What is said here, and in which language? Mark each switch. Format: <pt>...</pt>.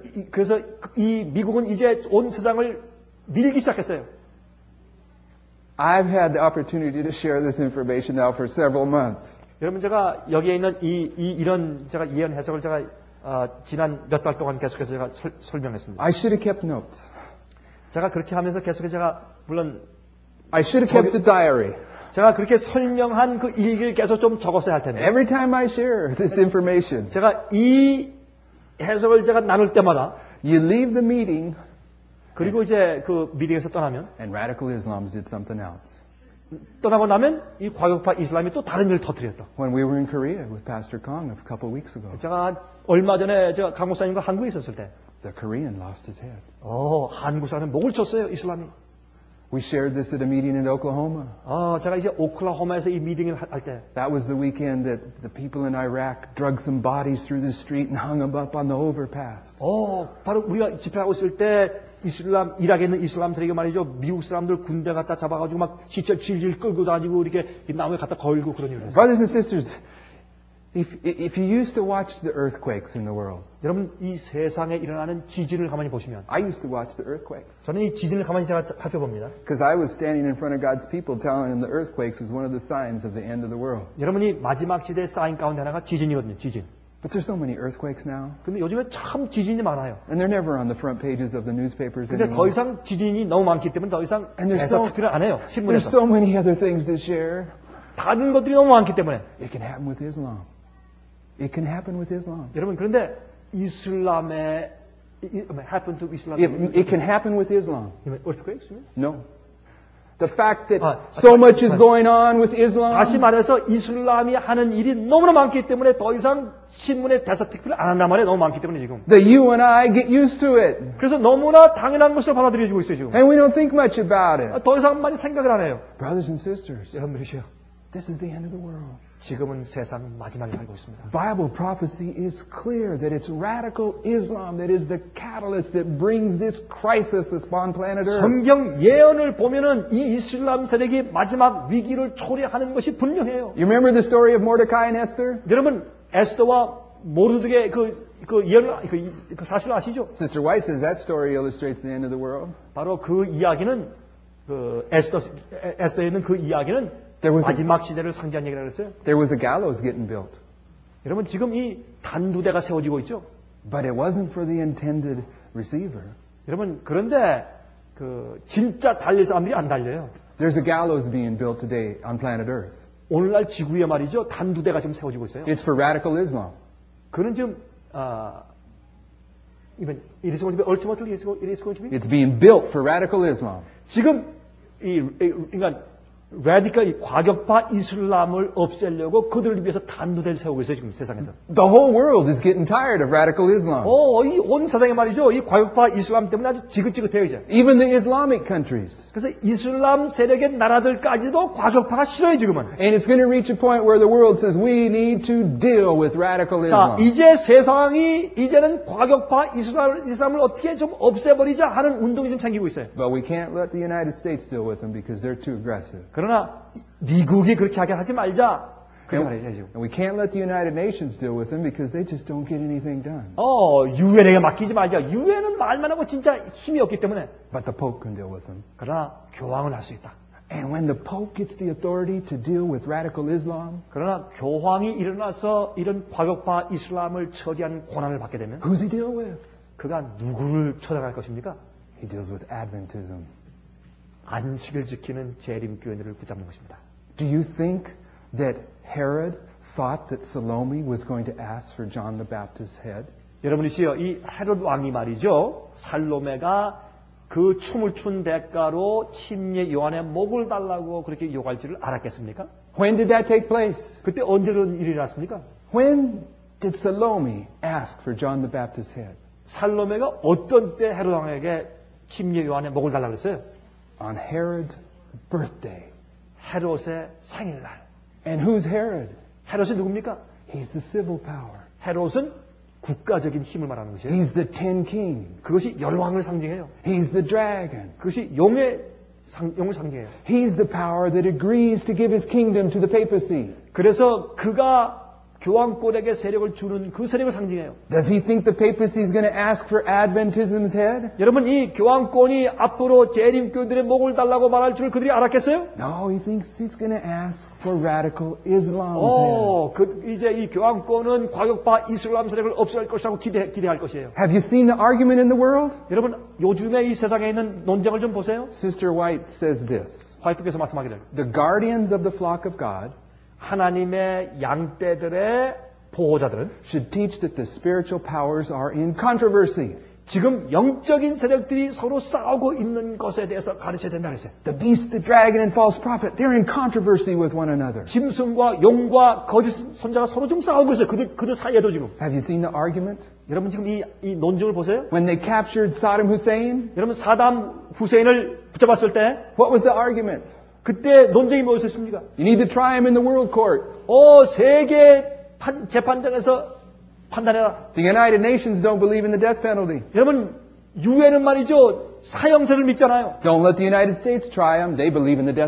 <ko>그래서 이 미국은 이제 온 세상을 밀기 시작했어요.</ko> <en>I've had the opportunity to share this information now for several months.</en> <ko>여러분 제가 여기에 있는 이런 제가 예언 해석을 제가 지난 몇 달 동안 계속해서 제가 설명했습니다.</ko> <en>I should have kept notes.</en> <ko>제가 그렇게 하면서 계속해서 제가 물론</ko> <en>I should have kept the diary.</en> <ko>제가 그렇게 설명한 그 일기를 계속 좀 적었어야 할 텐데.</ko> <en>Every time I share this information.</en> <ko>제가 이 해석을 제가 나눌 때마다</ko> <en>you leave the meeting.</en> <ko>그리고 이제 그 미팅에서 떠나면</ko> <en>and radical Islams did something else.</en> <ko>떠나고 나면 이 과격파 이슬람이 또 다른 일을 터뜨렸다.</ko> <en>When we were in Korea with Pastor Kong a couple weeks ago.</en> <ko>제가 얼마 전에 제가 강 목사님과 한국에 있었을 때</ko> <en>the Korean lost his head.</en> <ko>오, 한국 사람이 목을 쳤어요, 이슬람이.</ko> <en>We shared this at a meeting in Oklahoma.</en> <ko>아, 제가 이제 오클라호마에서 이 미팅을 할 때.</ko> <en>That was the weekend that the people in Iraq drug some bodies through the street and hung them up on the overpass.</en> <ko>오, 바로 우리가 집회하고 있을 때 이슬람 이라크에 있는 이슬람들에게 말이죠 미국 사람들 군대 갖다 잡아가지고 막 시체 질질 끌고 다니고 이렇게 나무에 갖다 걸고 그런 일을 했어요.</ko> <en>Brothers and sisters, if you used to watch the earthquakes in the world,</en> <ko>여러분 이 세상에 일어나는 지진을 가만히 보시면,</ko> <en>I used to watch the earthquakes.</en> <ko>저는 이 지진을 가만히 제가 살펴봅니다.</ko> <en>Because I was standing in front of God's people, telling them the earthquakes was one of the signs of the end of the world.</en> <ko>여러분 이 마지막 시대 사인 가운데 하나가 지진이거든요, 지진.</ko> <en>But there's so many earthquakes now.</en> <ko>근데 요즘에 참 지진이 많아요.</ko> <en>And they're never on the front pages of the newspapers anymore.</en> <ko>근데 더 이상 지진이 너무 많기 때문에 더 이상 대서 투표를 안 해요, 신문에서.</ko> <en>There's so many other things to share.</en> <ko>다른 것들이 너무 많기 때문에.</ko> <en>It can happen with Islam. It can happen with Islam.</en> <ko>여러분 그런데 이슬람에</ko> <en>happen to Islam. It can happen with Islam. Earthquakes? No. The fact that so much is going on with Islam.</en> <ko>다시 말해서 이슬람이 하는 일이 너무나 많기 때문에 더 이상 신문에 대사 특필을 안 한단 말이에요. 너무 많기 때문에 지금.</ko> <en>That you and I get used to it.</en> <ko>그래서 너무나 당연한 것으로 받아들여지고 있어요 지금.</ko> <en>And we don't think much about it.</en> <ko>더 이상 많이 생각을 안 해요.</ko> <en>Brothers and sisters.</en> <ko>여러분들이시여.</ko> <en>This is the end of the world.</en> <ko>지금은 세상 마지막에 살고 있습니다.</ko> <en>Bible prophecy is clear that it's radical Islam that is the catalyst that brings this crisis upon planet Earth.</en> <ko>성경 예언을 보면은 이 이슬람 세력이 마지막 위기를 초래하는 것이 분명해요.</ko> <en>You remember the story of Mordecai and Esther?</en> <ko>여러분 에스더와 모르드게 그 사실 아시죠?</ko> <en>Sister White says that story illustrates the end of the world.</en> <ko>바로 그 이야기는 그 에스더에 있는 그 이야기는 마지막 시대를 상징한 얘기라고 했어요.</ko> <en>There was a gallows getting built.</en> <ko>여러분 지금 이 단두대가 세워지고 있죠.</ko> <en>But it wasn't for the intended receiver.</en> <ko>여러분 그런데 그 진짜 달릴 사람들이 안 달려요.</ko> <en>There's a gallows being built today on planet Earth.</en> <ko>오늘날 지구에 말이죠 단두대가 지금 세워지고 있어요.</ko> <en>It's for radical Islam.</en> <ko>그는 지금 이번</ko> <en>it is going to be ultimately it is going to be. It's being built for radical Islam.</en> <ko>지금 이 인간 radical 과격파 이슬람을 없애려고 그들을 위해서 단두대를 세우고 있어요 지금 세상에서.</ko> <en>The whole world is getting tired of radical Islam.</en> <ko>오, 이 온 세상에 말이죠. 이 과격파 이슬람 때문에 아주 지긋지긋해요 이제.</ko> <en>Even the Islamic countries.</en> <ko>그래서 이슬람 세력의 나라들까지도 과격파가 싫어요 지금은.</ko> <en>And it's going to reach a point where the world says we need to deal with radical Islam.</en> <ko>자, 이제 세상이 이제는 과격파 이슬람을 어떻게 좀 없애버리자 하는 운동이 좀 생기고 있어요.</ko> <en>But we can't let the United States deal with them because they're too aggressive.</en> <ko>그러나 미국이 그렇게 하긴 하지 말자.</ko> <en>그 We can't let the United Nations deal with them because they just don't get anything done.</en> <ko>어, 유엔에게 맡기지 말자. 유엔은 말만 하고 진짜 힘이 없기 때문에.</ko> <en>But the Pope can deal with them.</en> <ko>그러나 교황은 할 수 있다.</ko> <en>And when the Pope gets the authority to deal with radical Islam,</en> <ko>그러나 교황이 일어나서 이런 과격파 이슬람을 처리한 권한을 받게 되면,</ko> <en>Who's he deal with?</en> <ko>그가 누구를 처리할 것입니까?</ko> <en>He deals with Adventism.</en> <ko>안식을 지키는 재림교회들을 붙잡는 것입니다.</ko> <en>Do you think that Herod thought that Salome was going to ask for John the Baptist's head?</en> <ko>여러분이시여, 이 헤롯 왕이 말이죠. 살로메가 그 춤을 춘 대가로 침례 요한의 목을 달라고 그렇게 요구할 줄을 알았겠습니까?</ko> <en>When did that take place?</en> <ko>그때 언제 그런 일이 났습니까?</ko> <en>When did Salome ask for John the Baptist's head?</en> <ko>살로메가 어떤 때 헤롯 왕에게 침례 요한의 목을 달라고 했어요?</ko> <en>On Herod's birthday.</en> <ko>헤롯의 생일날.</ko> <en>And who's Herod?</en> <ko>헤롯이 누굽니까?</ko> <en>He's the civil power.</en> <ko>헤롯은 국가적인 힘을 말하는 것이에요.</ko> <en>He's the ten king.</en> <ko>그것이 열왕을 상징해요.</ko> <en>He's the dragon.</en> <ko>그것이 용의 용을 상징해요.</ko> <en>He's the power that agrees to give his kingdom to the papacy.</en> <ko>그래서 그가 교황권에게 세력을 주는 그 세력을 상징해요.</ko> <en>Does he think the papacy is going to ask for Adventism's head?</en> <ko>여러분 이 교황권이 앞으로 재림교인들의 목을 달라고 말할 줄 그들이 알았겠어요?</ko> <en>No, he thinks he's going to ask for radical Islam's 오, head.</en> <ko>이제 이 교황권은 과격파 이슬람 세력을 없앨 것이라고 기대할 것이에요.</ko> <en>Have you seen the argument in the world?</en> <ko>여러분 요즘에 이 세상에 있는 논쟁을 좀 보세요.</ko> <en>Sister White says this.</en> <ko>화이트께서 말씀하기를.</ko> <en>The guardians of the flock of God.</en> <ko>하나님의 양떼들의 보호자들은</ko> <en>should teach that the spiritual powers are in controversy.</en> <ko>지금 영적인 세력들이 서로 싸우고 있는 것에 대해서 가르쳐야 된다 그랬어요.</ko> <en>The beast, the dragon, and false prophet, they're in controversy with one another.</en> <ko>짐승과 용과 거짓 선자가 서로 좀 싸우고 있어요. 그들 사이에도 지금.</ko> <en>Have you seen the argument?</en> <ko>여러분 지금 이 논쟁을 보세요.</ko> <en>When they captured Saddam Hussein?</en> <ko>여러분 사담 후세인을 붙잡았을 때</ko> <en>What was the argument?</en> <ko>그때 논쟁이 무엇이었습니까?</ko> <en>You need to try him in the world court.</en> <ko>세계 재판장에서 판단해라.</ko> <en>The United Nations don't believe in the death penalty.</en> <ko>여러분, 유엔은 말이죠. 사형제를 믿잖아요.</ko> <en>Don't let the United States try him. They believe in the death</en>